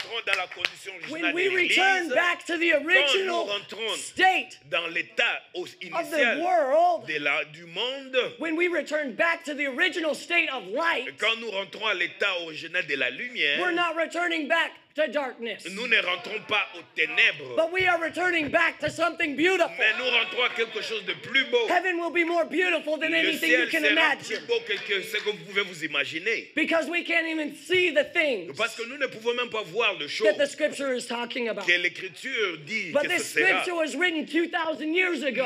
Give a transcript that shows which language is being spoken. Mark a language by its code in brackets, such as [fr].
[fr] dans la condition [en] when we return back to the original state [fr] dans l'état initial [en] of the world, [fr] de la, du monde, [en] when we return back to the original state of light, [fr] quand nous rentrons à l'état original de la lumière, [en] we're not returning back to darkness. [fr] Nous ne rentrons pas aux ténèbres. [en] But we are returning back to something beautiful. [fr] Mais nous rentrons à quelque chose de plus beau. [en] Heaven will be more beautiful than [fr] le [en] anything [fr] ciel [en] you can [fr] sera [en] imagine. [fr] Plus beau que ce que vous pouvez vous imaginer. [en] Because we can't even see the things. [fr] Parce que nous ne pouvons même pas voir le [en] show that the scripture is talking about. [fr] Que l'écriture dit [en] but [fr] que [en] this [fr] ce [en] scripture [fr] sera. [en] Was written 2,000 years ago.